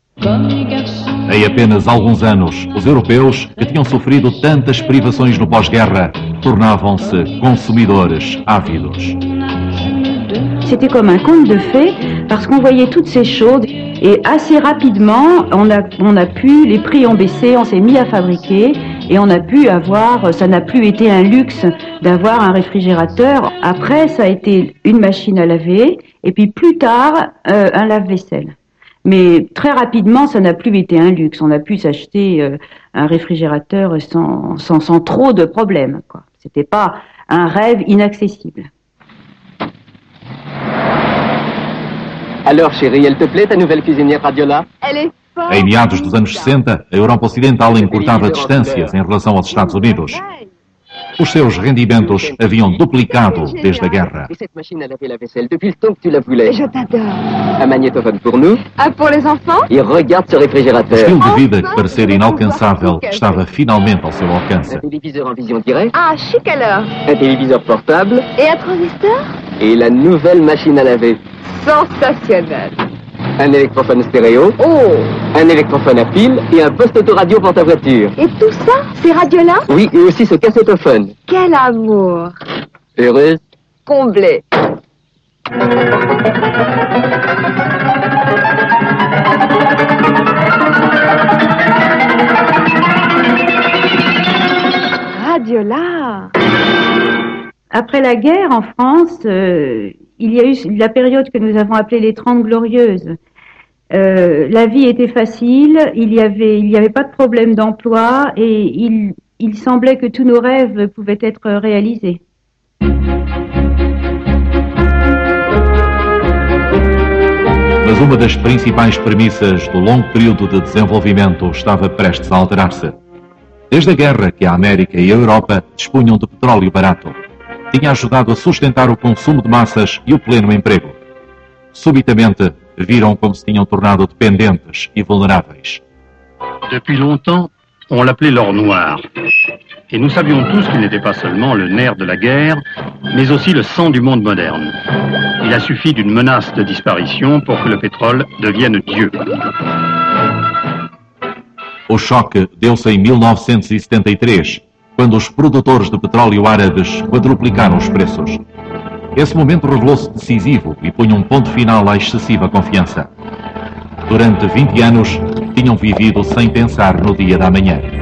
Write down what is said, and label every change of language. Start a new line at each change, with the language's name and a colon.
Portuguese: Em apenas alguns anos, os europeus, que tinham sofrido tantas privações no pós-guerra, tornavam-se consumidores ávidos.
French: C'était comme un conte de fées parce qu'on voyait toutes ces choses et assez rapidement on a pu, les prix ont baissé, on s'est mis à fabriquer et on a pu avoir, ça n'a plus été un luxe d'avoir un réfrigérateur. Après ça a été une machine à laver et puis plus tard un lave-vaisselle. Mais très rapidement ça n'a plus été un luxe, on a pu s'acheter un réfrigérateur sans trop de problèmes. C'était pas un rêve inaccessible. Alors, chérie, elle te plaît, ta nouvelle cuisinière Radiola? Elle est forte!
Portuguese: Em meados dos anos 60, a Europa Ocidental encurtava distâncias em relação aos Estados Unidos. Os seus rendimentos haviam duplicado desde a guerra.
French: E cette machine à laver la vaisselle depuis le temps que tu la voulais. Je t'adore. Un magnétophone pour nous. Un pour les enfants. Et regarde ce réfrigérateur.
Portuguese: O estilo de vida que parecia inalcançável estava finalmente ao seu alcance.
French: Un téléviseur en vision directe. Ah, chic alors. Un téléviseur portable. Et un transistor. Et la nouvelle machine à laver. Sensationnel. Un électrophone stéréo. Oh. Un électrophone à pile et un poste autoradio pour ta voiture. Et tout ça, ces radios-là? Oui, et aussi ce cassettophone. Quel amour. Heureuse. Comblée. Radio-là. Après la guerre en France, il y a eu la période que nous avons appelée les Trente Glorieuses. La vie était facile, il n'y avait pas de problème d'emploi et il semblait que tous nos rêves pouvaient être réalisés.
Portuguese: Mas uma das principais premissas do longo período de desenvolvimento estava prestes a alterar-se. Desde a guerra que a América e a Europa dispunham de petróleo barato, tinha ajudado a sustentar o consumo de massas e o pleno emprego. Subitamente, viram como se tinham tornado dependentes e vulneráveis.
French: Depuis longtemps, on l'appelait l'or noir. Et nous savions tous qu'il n'était pas seulement le nerf de la guerre, mais aussi le sang du monde moderne. Il a suffi d'une menace de disparition pour que le pétrole devienne Dieu.
Portuguese: O choque deu-se em 1973, quando os produtores de petróleo árabes quadruplicaram os preços. Esse momento revelou-se decisivo e punha um ponto final à excessiva confiança. Durante 20 anos, tinham vivido sem pensar no dia da manhã.